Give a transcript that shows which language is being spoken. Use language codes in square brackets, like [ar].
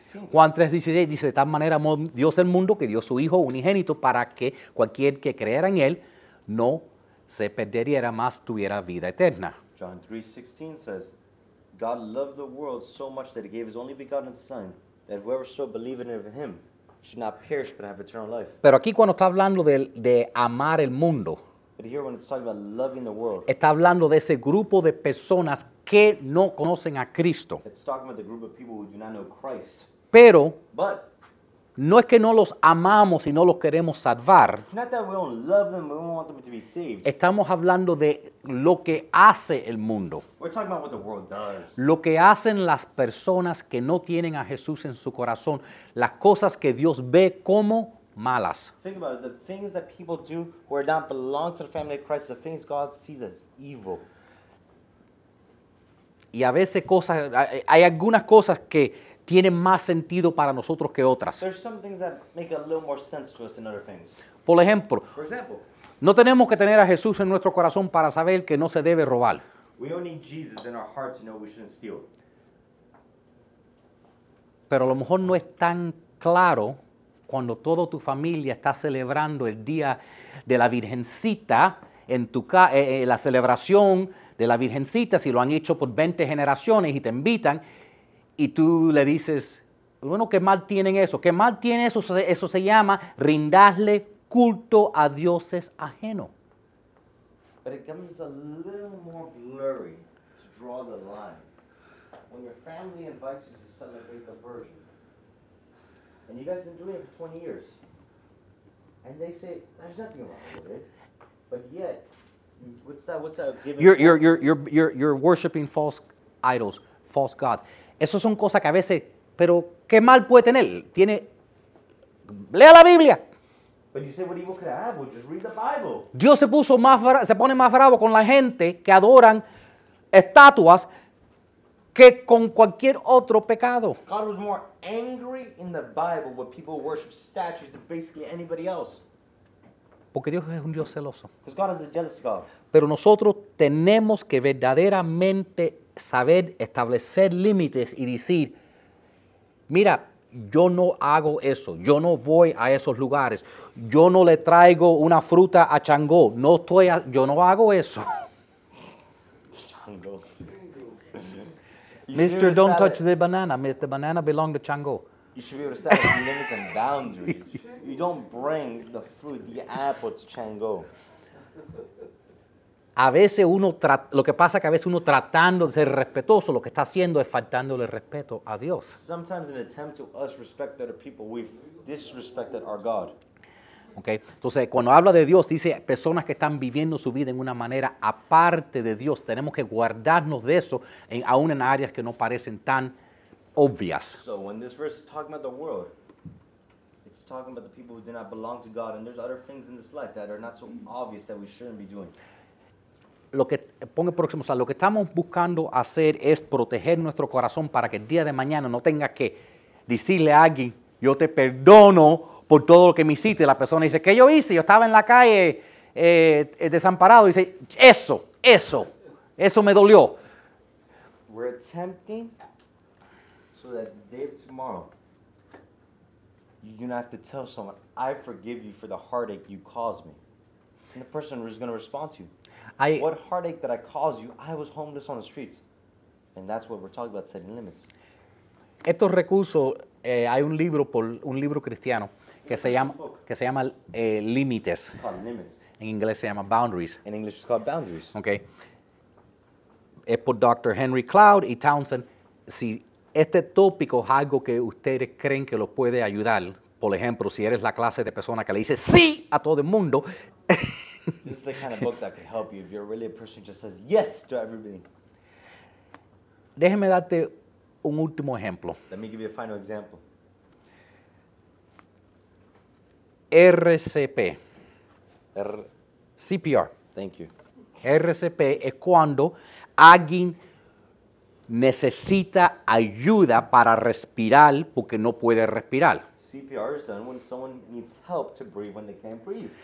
[es] Juan 3:16 dice, de tal manera amó Dios el mundo que dio su Hijo unigénito para que cualquier que creyera en él no se perdiera más tuviera vida eterna. [en] John 3:16 says, God loved the world so much that he gave his only begotten Son, that whoever so believeth in him should not perish but have eternal life. [es] Pero aquí cuando está hablando de amar el mundo, [en] but here when it's talking about loving the world, [es] está hablando de ese grupo de personas que no conocen a Cristo. [en] It's talking about the group of people who do not know Christ. [es] Pero, [en] but, [es] no es que no los amamos y no los queremos salvar. [en] It's not that we don't love them, but we don't want them to be saved. [es] Estamos hablando de lo que hace el mundo. [en] We're talking about what the world does. [es] Lo que hacen las personas que no tienen a Jesús en su corazón. Las cosas que Dios ve como malas. [en] Think about it. The things that people do who are not belong to the family of Christ, the things God sees as evil. [es] Y a veces cosas, hay algunas cosas que tienen más sentido para nosotros que otras. [en] There's some things that make a little more sense to us than other things. [es] Por ejemplo, no tenemos que tener a Jesús en nuestro corazón para saber que no se debe robar. [en] We don't need Jesus in our heart to know we shouldn't steal. [es] Pero a lo mejor no es tan claro cuando toda tu familia está celebrando el día de la Virgencita en tu la celebración de la Virgencita, si lo han hecho por 20 generaciones y te invitan, y tú le dices, bueno, ¿qué mal tienen eso? ¿Qué mal tiene eso? Eso se llama rindarle culto a dioses ajenos. [en] But it becomes a little more blurry to draw the line. When your family invites you to celebrate the virgin, and you guys have been doing it for 20 years, and they say, there's nothing wrong with it, but yet, what's that giving? You're worshiping false idols, false gods. [es] Esas son cosas que a veces, pero ¿qué mal puede tener? Tiene, lea la Biblia. [en] But you say, what evil could I have? Well, just read the Bible. [es] Dios se pone más bravo con la gente que adoran estatuas que con cualquier otro pecado. [en] God was more angry in the Bible with people who worship statues than basically anybody else. [es] Porque Dios es un Dios celoso. [en] Because God is a jealous God. [es] Pero nosotros tenemos que verdaderamente saber establecer límites y decir, mira, yo no hago eso, yo no voy a esos lugares, yo no le traigo una fruta a Changó, no estoy a, yo no hago eso. Changó. [en] Mister, don't touch the banana. The banana belongs to Changó. You should be able to set limits and boundaries. You don't bring the fruit, the apple to Changó. [es] A veces uno, lo que pasa es que a veces uno tratando de ser respetuoso, lo que está haciendo es faltándole respeto a Dios. [en] Sometimes in attempt to us respect other people, we've disrespected our God. Okay. [es] Entonces, cuando habla de Dios, dice personas que están viviendo su vida en una manera aparte de Dios. Tenemos que guardarnos de eso, aún en áreas que no parecen tan obvias. [en] So when this verse is talking about the world, it's talking about the people who do not belong to God, and there's other things in this life that are not so obvious that we shouldn't be doing. [es] Lo que ponga el próximo, o sea, lo que estamos buscando hacer es proteger nuestro corazón para que el día de mañana no tenga que decirle a alguien, yo te perdono por todo lo que me hiciste. La persona dice, ¿qué yo hice? Yo estaba en la calle desamparado. Y dice, eso me dolió. [en] We're attempting so that day of tomorrow, you do not have to tell someone, I forgive you for the heartache you caused me. And the person is going to respond to you. What heartache that I caused you? I was homeless on the streets. And that's what we're talking about, setting limits. [es] Estos recursos, hay un libro por un libro cristiano que se llama, Límites. [en] It's called Limits. [es] En inglés se llama Boundaries. [en] In English it's called Boundaries. [es] Okay. Es por Dr. Henry Cloud y Townsend. Si este tópico es algo que ustedes creen que lo puede ayudar, por ejemplo, si eres la clase de persona que le dice sí a todo el mundo, [en] this is the kind of book that could help you if you're really a person who just says yes to everybody. [es] Déjeme darte un último ejemplo. [en] Let me give you a final example. [es] RCP. CPR. [en] Thank you. [es] RCP es cuando alguien necesita ayuda para respirar porque no puede respirar. [en] CPR is done when someone needs help to breathe when they can't breathe.